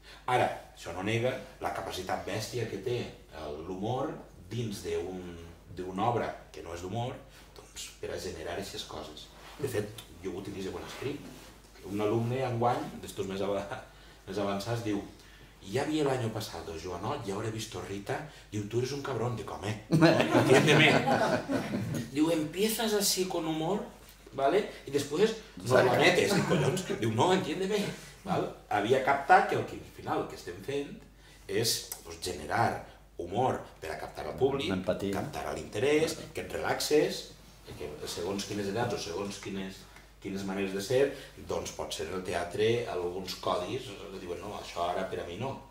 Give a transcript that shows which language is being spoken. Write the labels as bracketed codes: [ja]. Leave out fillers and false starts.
[ca] Ara, això no nega la capacitat bèstia que té l'humor dins d'una obra que no és d'humor, per a generar aquestes coses. De fet, jo ho utilitzo quan escric. Un alumne enguany, d'estos més avançats, diu, ja havia l'any passat, Joanot, ja hauré vist Rita, diu, [es] tu eres un cabron, [ca] dic, home, [es] entiéndeme. [ca] Diu, [es] empiezas así con humor, ¿vale? [ca] I després, [es] no lo metes, [ca] dic, collons, diu, no, [es] entiéndeme. [ca] Havia captat que al final el que estem fent és generar humor per a captar el públic, captar l'interès, que et relaxes, que segons quines edats o segons quines maneres de ser, doncs pot ser el teatre, alguns codis, diuen, no, això ara per a mi no.